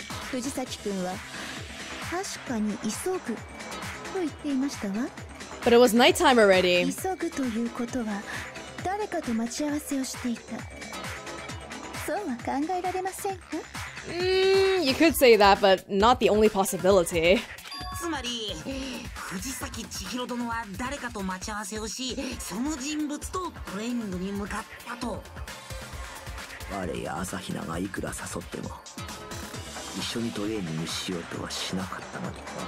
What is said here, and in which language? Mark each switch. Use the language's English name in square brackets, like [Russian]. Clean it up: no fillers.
[Japanese] 藤崎君は確かに急ぐと言っていましたわ。 [English] But it was nighttime already. [Japanese] 急ぐということは誰かと待ち合わせをしていた。そうは考えられませんか？ [English] You could say that, but not the only possibility. [Japanese] つまり、藤崎千尋殿は誰かと待ち合わせをし、その人物とトレーニングに向かったと。我や朝比奈がいくら誘っても、一緒にトレーニングしようとはしなかったのでは。